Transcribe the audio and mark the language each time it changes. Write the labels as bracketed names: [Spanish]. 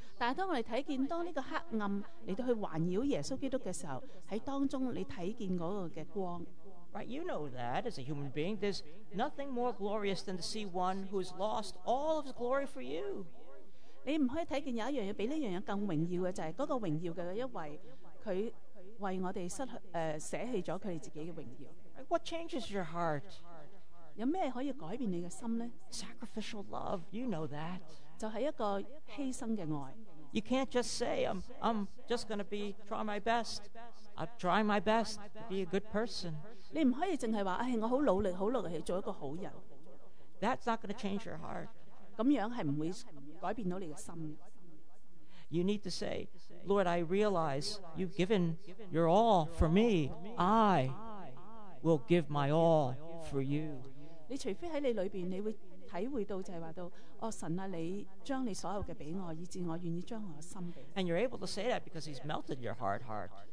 [Chinese] 但當我們看見當這個黑暗來到去環繞耶穌基督的時候，在當中你看見那個光。 [English] Right, you know that as a human being, there's nothing more glorious than to see one who has lost all of his glory for you. [Chinese] 你不可以看見有一樣東西比這樣更榮耀的，就是那個榮耀的一位，他為我們捨棄了他自己的榮耀。 [English] What changes your heart? [Chinese] 有什麼可以改變你的心呢? [English] Sacrificial love, you know that. [Chinese] 就是一個犧牲的愛。 [English] You can't just say, I'm just going to be try my best. I'll try my best to be a good person. [Chinese] 你不可以只是說我很努力去做一個好人。 [English] That's not going to change your heart. [Chinese] 這樣是不會改變到你的心。 [English] You need to say, Lord, I realize you've given your all for me. I will give my all for you. [Chinese] 你除非在你裏面，你會體會到就是說到，哦，神啊，你將你所有的給我，以致我願意將我的心給你。 [English] And you're able to say that because he's melted your hard heart.